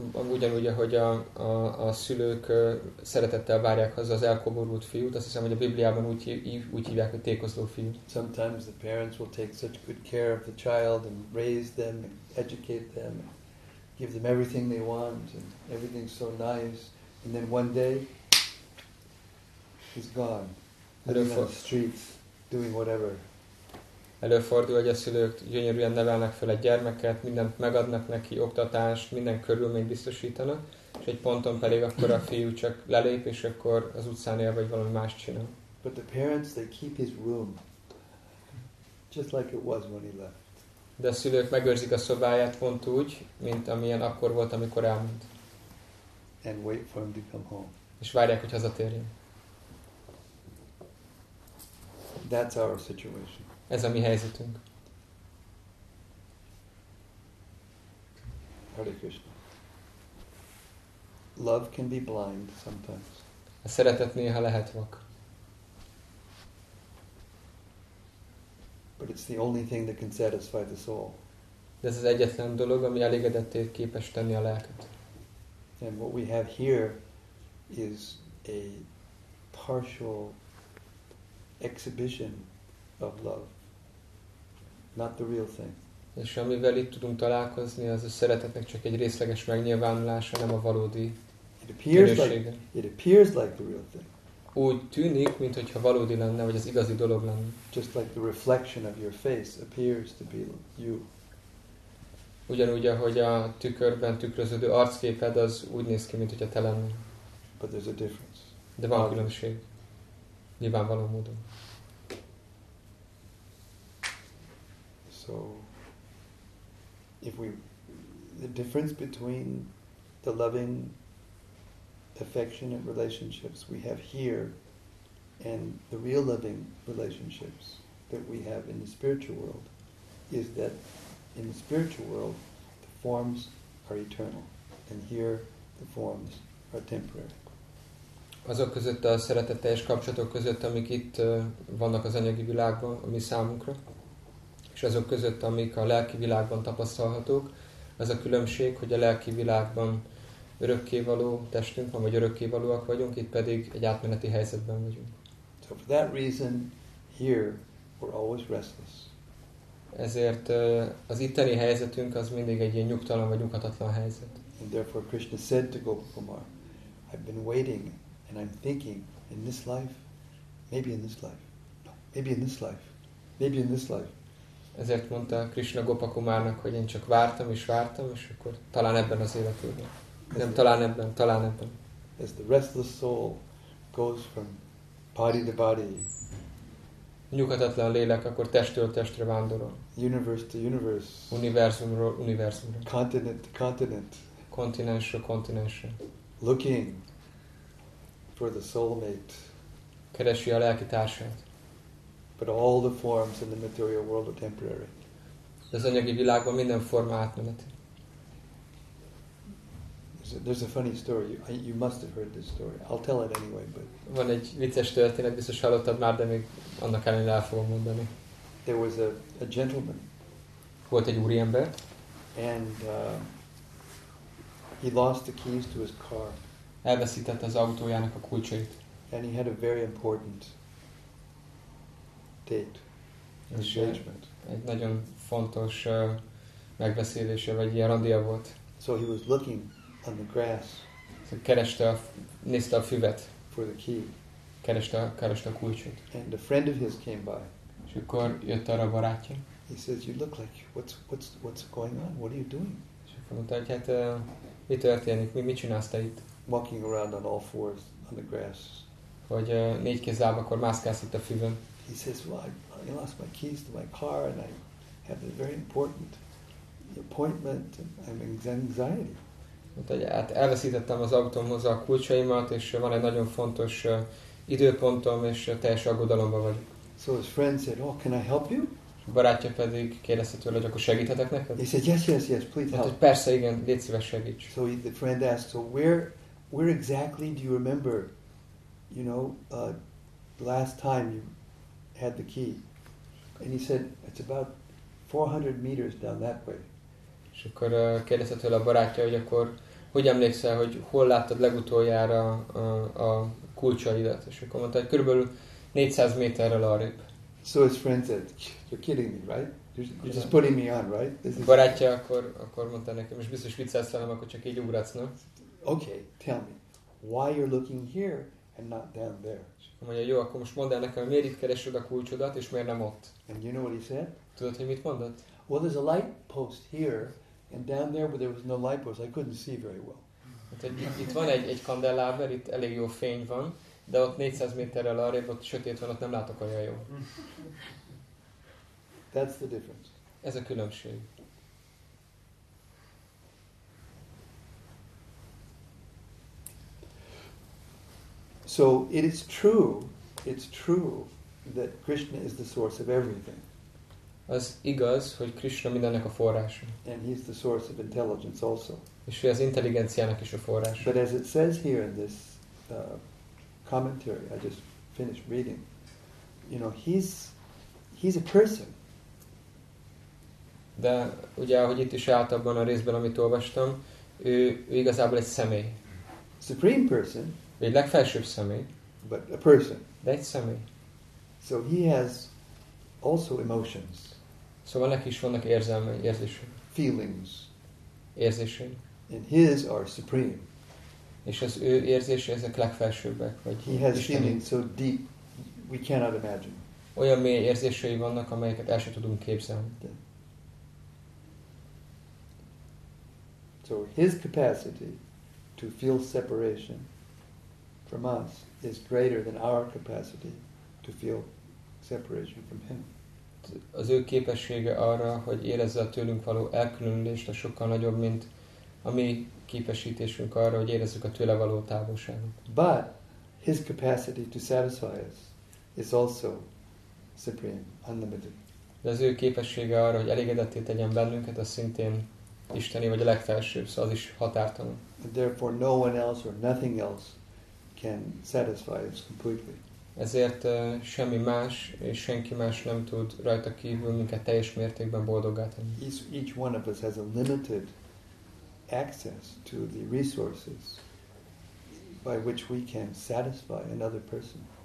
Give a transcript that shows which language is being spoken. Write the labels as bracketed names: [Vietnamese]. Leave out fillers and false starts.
[Hungarian] Ugyanúgy, ahogy a szülők szeretettel várják haza az elkoborult fiút, azt hiszem, hogy a Bibliában úgy hívják, hogy tékozló fiú. [English] Sometimes the parents will take such good care of the child and raise them, and educate them, and give them everything they want, and everything's so nice. And then one day, he's gone. Living on the streets, doing whatever. [Hungarian] Előfordul, hogy a szülők gyönyörűen nevelnek fel egy gyermeket, mindent megadnak neki, oktatást, minden körülményt biztosítanak, és egy ponton pedig akkor a fiú csak lelép, és akkor az utcán él, vagy valami más csinál. [English] But the parents, they keep his room. Just like it was when he left. [Hungarian] De a szülők megőrzik a szobáját pont úgy, mint amilyen akkor volt, amikor elment. [English] And wait for him to come home. [Hungarian] És várják, hogy hazatérjen. [English] That's our situation. [Hungarian] Ez a mi helyzetünk. [Sanskrit] Hare Krishna. [English] Love can be blind sometimes. [Hungarian] A szeretet néha lehet vak. [English] But it's the only thing that can satisfy the soul. [Hungarian] De ez az egyetlen dolog, ami elégedetté képes tenni a lelket. [English] And what we have here is a partial exhibition of love, not the real thing. [Hungarian] És amivel itt tudunk találkozni, az a szeretetnek csak egy részleges megnyilvánulása, nem a valódi minősége. [English] It appears like the real thing. [Hungarian] Úgy tűnik, mint hogyha valódi lenne, vagy az igazi dolog lenne. [English] Just like the reflection of your face appears to be you. [Hungarian] Ugyanúgy, ahogy a tükörben tükröződő arcképed, az úgy néz ki, mint hogyha te lenne. [English] But there's a difference. [Hungarian] De van a különbség. Nyilvánvaló módon. [English] So, if we, the difference between the loving, affectionate relationships we have here and the real loving relationships that we have in the spiritual world is that in the spiritual world the forms are eternal and here the forms are temporary. [Hungarian] Azok között, a szeretetteljes kapcsolatok között, amik itt vannak az anyagi világban, ami számunkra, és azok között, amik a lelki világban tapasztalhatók, az a különbség, hogy a lelki világban örökkévaló testünk van, vagy örökkévalóak vagyunk, itt pedig egy átmeneti helyzetben vagyunk. [English] So for that reason, here we're always restless. [Hungarian] Ezért az itteni helyzetünk az mindig egy ilyen nyugtalan vagy nyughatatlan helyzet. [English] And therefore Krishna said to Gopakumar, I've been waiting and I'm thinking in this life, maybe in this life, maybe in this life, maybe in this life. [Hungarian] Ezért mondta Krishna Gopakumárnak, hogy én csak vártam, és akkor talán ebben az életében. Nem, talán ebben. [English] As the restless soul goes from body to body. [Hungarian] Nyugatatlan lélek akkor testről testre vándorol. [English] Universe to universe. [Hungarian] Univerzumról univerzumra. [English] Continent to continent. [Hungarian] Kontinensről kontinensre. [English] Looking for the soulmate. [Hungarian] Keresi a lelki társát. [English] But all the forms in the material world are temporary. [Hungarian] Az anyagi világban minden forma átmeneti. [English] There's a funny story. You must have heard this story. I'll tell it anyway. But [Hungarian] van egy vicces történet, biztos hallottad már, de még annak ellenére el fogom mondani. [English] There was a gentleman. [Hungarian] Volt egy úriember. [English] And he lost the keys to his car. [Hungarian] Elveszítette az autójának a kulcsait. [English] And he had a very important date. Engagement. [Hungarian] Egy nagyon fontos megbeszélése vagy ilyen randia volt. [English] So he was looking on the grass. [Hungarian] So kereste a, nézte a füvet. [English] For the key. [Hungarian] Kereste a kulcsot. [English] And a friend of his came by. [Hungarian] És akkor jött arra a barátja. [English] He says, you look like, what's going on? What are you doing? [Hungarian] És akkor mondta, hogy hát, mi történik? Mit csinálsz te itt? [English] Walking around on all fours on the grass. [Hungarian] Hogy négy kézzel, akkor mászkálsz itt a füvön. [English] He says, well, I lost my keys to my car and I have a very important appointment and I'm anxiety. [Hungarian] Hát elveszítettem az autómhoz a kulcsaimat, és van egy nagyon fontos időpontom, és teljes aggodalomban vagyok. [English] So his friend said, oh, can I help you? [Hungarian] Barátja pedig kérdezte tőle, hogy akkor segíthetek neked? [English] He said, yes, please help. [Hungarian] Hát, persze, igen, légy szíves, segíts. [English] So the friend asked, so where exactly do you remember, you know, the last time you had the key? And he said, it's about 400 meters down that way. [Hungarian] És akkor kérdezte tőle a barátja, hogy akkor hogy emlékszel, hogy hol láttad legutoljára a kulcsaidat? És akkor mondta, hogy körülbelül 400 méterrel arrébb. [English] So his friend said, you're kidding me, right? You're just putting me on, right? This is... [Hungarian] Barátja akkor mondta nekem, és biztos viccelsz velem, akkor csak így ugratsz, no? [English] Okay, tell me, why you're looking here and not down there? [Hungarian] És akkor mondja, jó, akkor most mondd el nekem, miért itt keresed a kulcsodat, és miért nem ott? [English] And you know what he said? [Hungarian] Tudod, hogy mit mondott? [English] Well, there's a light post here, and down there, where there was no light post, I couldn't see very well. [Hungarian] Itt van egy kandelláber, itt elég jó fény van, de ott 400 méterrel arrébb, ott sötét van, ott nem látok olyan jól. [English] That's the difference. [Hungarian] Ez a különbség. [English] So it is true, that Krishna is the source of everything. [Hungarian] Az igaz, hogy Krishna mindennek a forrása. [English] And he's the source of intelligence also. [Hungarian] És ő az intelligenciának is a forrása. [English] But as it says here in this commentary, I just finished reading, you know, he's a person. [Hungarian] De ugye, ahogy itt is állt abban a részben, amit olvastam, ő igazából egy személy. [English] Supreme person. [Hungarian] Egy legfelsőbb személy. [English] But a person. [Hungarian] De egy személy. [English] So he has also emotions. [Hungarian] Szóval neki is vannak érzelmei, érzései. [English] Feelings. [Hungarian] Érzései. [English] And his are supreme. [Hungarian] És az ő érzése, ezek legfelsőbbek. Vagy [English] he has feelings so deep, we cannot imagine. [Hungarian] Olyan mély érzései vannak, amelyeket el sem tudunk képzelni. [English] Yeah. So his capacity to feel separation from us is greater than our capacity to feel separation from him. [Hungarian] Az ő képessége arra, hogy érezze a tőlünk való elkülönülést, a sokkal nagyobb, mint a mi képesítésünk arra, hogy érezzük a tőle való távolságot. [English] But his capacity to satisfy us is also supreme, unlimited. [Hungarian] De az ő képessége arra, hogy elégedetté tegyen bennünket, az szintén isteni vagy a legfelsőbb, szóval az is határtalan. [English] Therefore no one else or nothing else can satisfy us completely. [Hungarian] Ezért semmi más és senki más nem tud rajta kívül minket teljes mértékben boldoggá tenni. [English] Each one of us has a limited access to the resources by which we can satisfy another person.